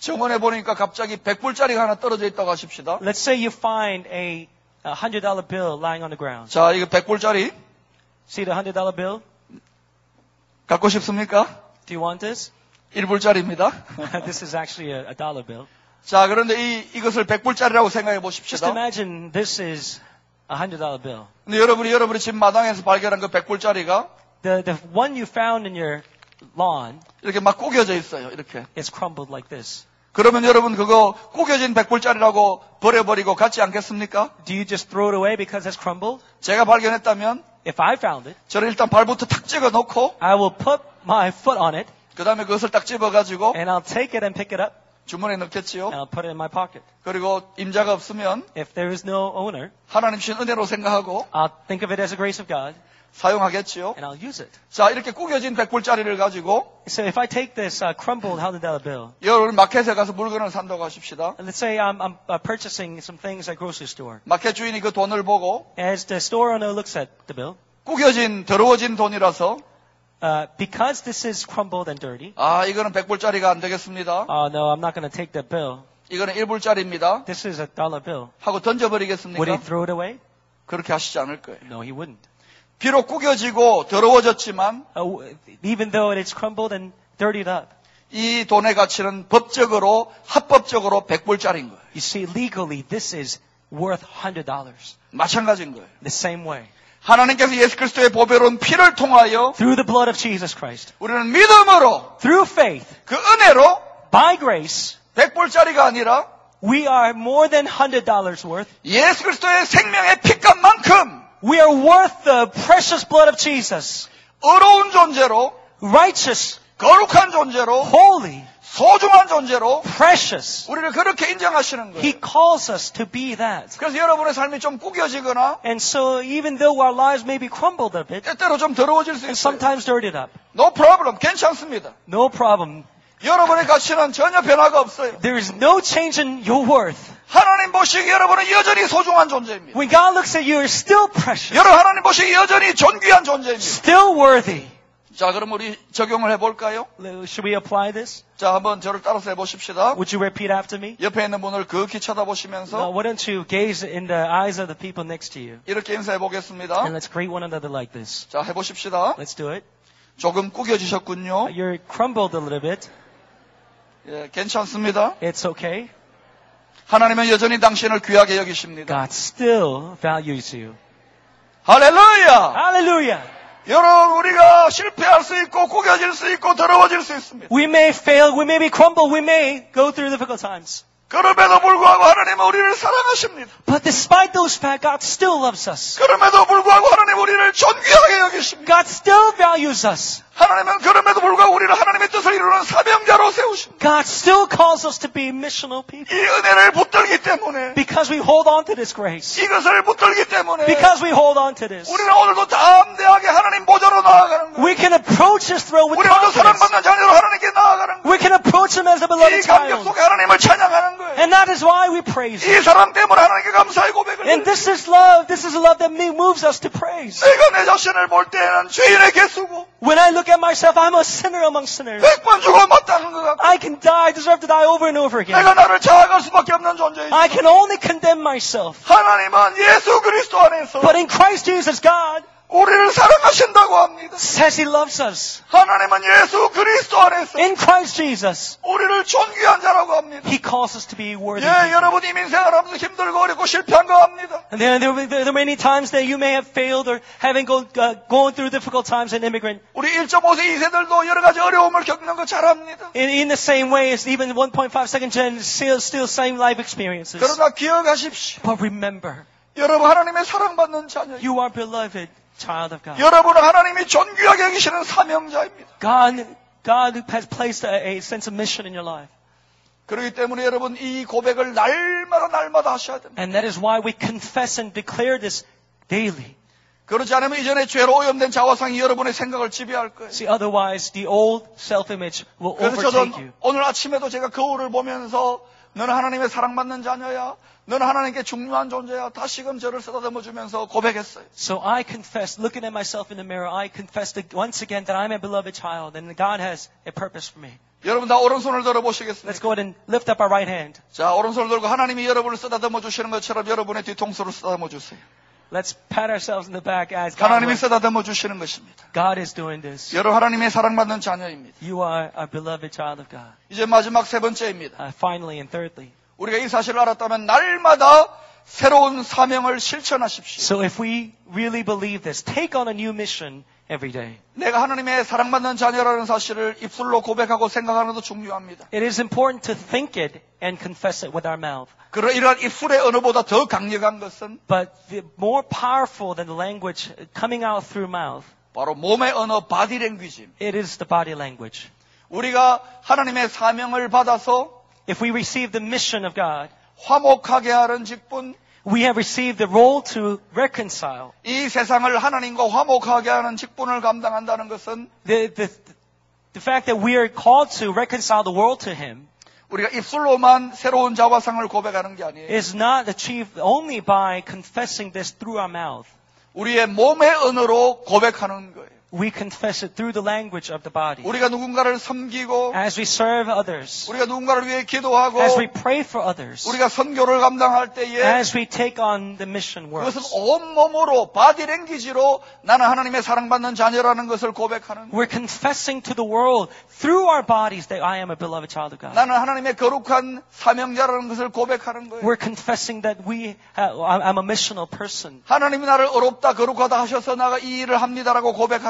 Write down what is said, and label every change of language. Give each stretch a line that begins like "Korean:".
Korean: 정원에 보니까 갑자기 100불짜리가 하나 떨어져 있다고 하십시다.
English: Let's say you find a $100 bill lying on the ground.
Korean: 자, 이거 100불짜리
English: See the $100 bill?
Korean: 갖고 싶습니까?
English: Do you want this?
Korean: 1불짜리입니다.
English: This is actually a dollar bill.
Korean: 자, 그런데 이것을 100불짜리라고 생각해 보십시다.
English: Just imagine this is a $100 bill.
Korean: 근데 여러분이 지금 마당에서 발견한 그 100불짜리가
English: the one you found in your lawn
Korean: 이렇게 막 구겨져 있어요. 이렇게.
English: It's crumbled like this.
Korean: 그러면 여러분 그거 구겨진 100불짜리라고 버려버리고 갖지 않겠습니까?
English: Do you just throw it away because it's crumbled?
Korean: 제가 발견했다면
English: If I found it
Korean: 저를 일단 발부터 탁 찍어 놓고
English: I will put my foot on it
Korean: 그 다음에 그것을 딱 집어가지고
English: And I'll take it and pick it up
Korean: 주머니에 넣겠지요.
English: And I'll put it in my pocket.
Korean: 그리고 임자가 없으면
English: If there is no owner
Korean: 하나님 주신 은혜로 생각하고
English: I'll think of it as a grace of God
Korean: 사용하겠지요.
English: And I'll use it.
Korean: 자, 이렇게 구겨진 100불짜리를 가지고
English: So if I take this crumpled $100 bill
Korean: 여러분 마켓에 가서 물건을 산다고 하십시다.
English: And let's say I'm purchasing some things at grocery store.
Korean: 마켓 주인이 그 돈을 보고
English: As the store owner looks at the bill
Korean: 구겨진, 더러워진 돈이라서
English: Because this is crumbled and dirty.
Korean: 아, 이거는 100불짜리가 안 되겠습니다.
English: No, I'm not going to take the bill.
Korean: 이거는 1불짜리입니다.
English: This is a dollar bill.
Korean: 하고 던져버리겠습니까?
English: Would he throw it away?
Korean: 그렇게 하시지 않을 거예요.
English: No, he wouldn't.
Korean: 비록 구겨지고 더러워졌지만,
English: even though it's crumbled and dirtied up.
Korean: 이 돈의 가치는 법적으로 합법적으로 100불짜리인 거예요.
English: You see, legally, this is worth $100.
Korean: 마찬가지인 거예요.
English: The same way.
Korean: 하나님께서 예수 그리스도의 보배로운 피를 통하여
English: through the blood of Jesus Christ,
Korean: 우리는 믿음으로
English: through faith,
Korean: 그 은혜로
English: by grace,
Korean: 100불짜리가 아니라
English: we are more than $100 worth,
Korean: 예수 그리스도의 생명의 피값만큼
English: we are worth the precious blood of Jesus,
Korean: 의로운 존재로
English: righteous,
Korean: 거룩한 존재로
English: holy,
Korean: 소중한 존재로
English: precious,
Korean: 우리를 그렇게 인정하시는 거예요.
English: He calls us to be that.
Korean: 그래서 여러분의 삶이 좀 구겨지거나
English: and so even though our lives may be crumbled a bit,
Korean: 때때로 좀 더러워질 수 있어요.
English: Sometimes dirtied up. No problem.
Korean: 괜찮습니다.
English: No problem.
Korean: 여러분의 가치는 전혀 변화가 없어요.
English: There is no change in your worth.
Korean: 하나님 보시기에 여러분은 여전히 소중한 존재입니다.
English: When God looks at you, you're still precious.
Korean: 여러분 하나님 보시기에 여전히 존귀한 존재입니다.
English: Still worthy.
Korean: 자, 그럼 우리 적용을 해볼까요?
English: Should we apply this?
Korean: 자, 한번 저를 따라서 해보십시다.
English: Would you repeat after me?
Korean: 옆에 있는 분을 그윽히 쳐다보시면서
English: Now, why don't you gaze in the eyes of the people next to you?
Korean: 이렇게 인사해보겠습니다.
English: And let's greet one another like this.
Korean: 자, 해보십시다.
English: Let's do it.
Korean: 조금 구겨지셨군요.
English: You're crumbled a little bit.
Korean: 예, 괜찮습니다.
English: It's okay.
Korean: 하나님은 여전히 당신을 귀하게 여기십니다.
English: God still values you.
Korean: 할렐루야! 할렐루야! 여러분 우리가 실패할 수 있고 구겨질 수 있고 더러워질 수 있습니다.
English: We may fail, we may be crumbled, we may go through difficult times.
Korean: 그럼에도 불구하고 하나님은 우리를 사랑하십니다.
English: But despite those facts, God still loves us.
Korean: 그럼에도 불구하고 하나님은 우리를 존귀하게 여기십니다.
English: God still values us.
Korean: 하나님은 그럼에도 불구하고 우리를 하나님의 뜻을 이루는 사명자로 세우십니다.
English: God still calls us to be missional people.
Korean: 이 은혜를 붙들기 때문에
English: Because we hold on to this grace.
Korean: 이것을 붙들기 때문에
English: Because we hold on to this.
Korean: 우리는 오늘도 담대하게 하나님 보좌로 나아가는 거예요.
English: We can approach his throne with confidence.
Korean: 우리는 사랑받는 자녀로 하나님께 나아가는 거예요.
English: We can approach him as a beloved child.
Korean: 이 감격 속에 하나님을 찬양하는 거예요.
English: And that is why we praise him.
Korean: 이 사랑 때문에 하나님께 감사의 고백을
English: And this is love. This is love that moves us to praise.
Korean: 내가 내 자신을 볼 때는 죄인의 개수고
English: When I look at myself, I'm a sinner among sinners.
Korean: 백번 죽어 마땅한 것 같고.
English: I can die, I deserve to die over and over again.
Korean: 내가 나를 자아갈 수밖에 없는 존재이지.
English: I can only condemn myself.
Korean: 하나님은 예수 그리스도 안에서.
English: But in Christ Jesus, God.
Korean: 우리를 사랑하신다고 합니다.
English: Says he loves us.
Korean: 하나님은 예수 그리스도 안에서.
English: In Christ Jesus.
Korean: 우리를 존귀한 자라고 합니다.
English: He calls us to be worthy.
Korean: 예, 여러분 이민 생활하면서 힘들고 어렵고 실패한 거 합니다.
English: And there are many times that you may have failed or having gone through difficult times as an immigrant.
Korean: 우리 1.5세 2세들도 여러 가지 어려움을 겪는 거 잘 합니다.
English: In the same way as even 1.5 second gen still same life experiences.
Korean: 그러나 기억하십시오.
English: But remember.
Korean: 여러분 하나님의 사랑받는 자녀.
English: You are beloved. Child of God.
Korean: 여러분은 하나님이 존귀하게 여기시는 사명자입니다.
English: God has placed a sense of mission in your life.
Korean: 그렇기 때문에 여러분 이 고백을 날마다 날마다 하셔야 됩니다.
English: And that is why we confess and declare this daily.
Korean: 그러지 않으면 이전에 죄로 오염된 자화상이 여러분의 생각을 지배할 거예요.
English: See, otherwise the old self-image will overtake you.
Korean: 오늘 아침에도 제가 거울을 보면서 너는 하나님의 사랑받는 자녀야. 너는 하나님께 중요한 존재야. 다시금 저를 쓰다듬어 주면서 고백했어요.
English: So I confessed, looking at myself in the mirror, I confessed once again that I'm a beloved child and God has a purpose for me.
Korean: 여러분 다 오른손을 들어보시겠습니다.
English: Let's go ahead and lift up our right hand.
Korean: 자, 오른손을 들고 하나님이 여러분을 쓰다듬어 주시는 것처럼 여러분의 뒤통수를 쓰다듬어 주세요.
English: Let's pat ourselves in the back as God
Korean: 하나님이 쓰다듬어 주시는 것입니다.
English: God is doing this.
Korean: 여러분 하나님의 사랑받는 자녀입니다.
English: You are a beloved child of God.
Korean: 이제 마지막 세 번째입니다.
English: Finally and thirdly.
Korean: 우리가 이 사실을 알았다면 날마다 새로운 사명을 실천하십시오.
English: So if we really believe this, take on a new mission every day.
Korean: 내가 하나님의 사랑받는 자녀라는 사실을 입술로 고백하고 생각하는 것도 중요합니다.
English: It is important to think it and confess it with our mouth.
Korean: 그러나 이러한 입술의 언어보다 더 강력한 것은
English: But the more powerful than the language coming out through mouth.
Korean: 바로 몸의 언어, body language.
English: It is the body language.
Korean: 우리가 하나님의 사명을 받아서
English: If we receive the mission of God,
Korean: 화목하게 하는 직분,
English: we have received the role to reconcile.
Korean: 이 세상을 하나님과 화목하게 하는 직분을 감당한다는 것은
English: the fact that we are called to reconcile the world to Him,
Korean: 우리가 입술로만 새로운 자화상을 고백하는 게 아니에요.
English: Is not achieved only by confessing this through our mouth.
Korean: 우리의 몸의 언어로 고백하는 거예요.
English: We confess it through the language of the body.
Korean: 우리가 누군가를 섬기고,
English: as we serve others,
Korean: 우리가 누군가를 위해 기도하고,
English: as we pray for others,
Korean: 우리가 선교를 감당할 때에,
English: as we take on the mission work,
Korean: 그것은 온몸으로, body language로 나는 하나님의 사랑받는 자녀라는 것을 고백하는.
English: We're confessing to the world through our bodies that I am a beloved child of God.
Korean: 나는 하나님의 거룩한 사명자라는 것을 고백하는 거예요.
English: We're confessing that I'm a missional person.
Korean: 하나님이 나를 어렵다 거룩하다 하셔서 내가 이 일을 합니다라고 고백.